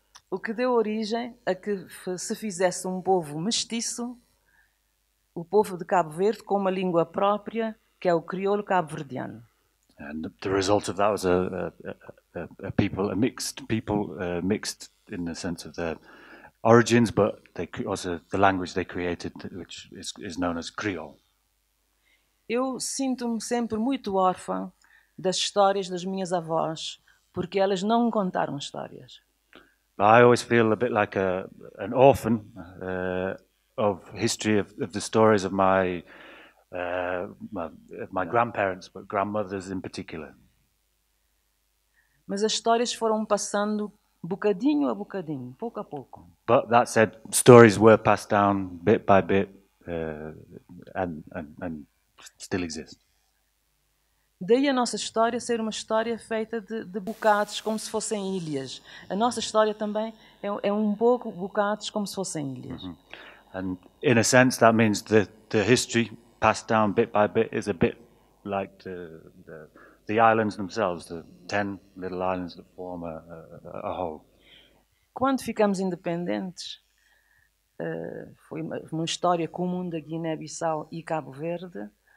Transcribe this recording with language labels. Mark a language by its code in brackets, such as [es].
[pt] O que deu origem a que se fizesse um povo mestiço, o povo de Cabo Verde, com uma língua própria, que é o crioulo cabo-verdiano. [en] And the result of that was a mixed people, in the sense of their origins, but they also the language they created, which is known as Creole. [pt] Eu sinto-me sempre muito órfã das histórias das minhas avós, porque elas não me contaram histórias. [en] I always feel a bit like an orphan of history of the stories of my grandparents, but grandmothers in particular. [pt] Mas as histórias foram passando bocadinho a bocadinho, pouco a pouco. [en] But that said, stories were passed down bit by bit, and still exist. [pt] Daí a nossa história ser uma história feita de bocados, como se fossem ilhas. A nossa história também é um pouco bocados, como se fossem ilhas. Uh-huh. [en] And in a sense, that means the history passed down bit by bit is a bit like the islands themselves, the 10 little islands that form a whole. [pt] Quando ficamos independentes, foi uma história comum da Guiné-Bissau e Cabo Verde.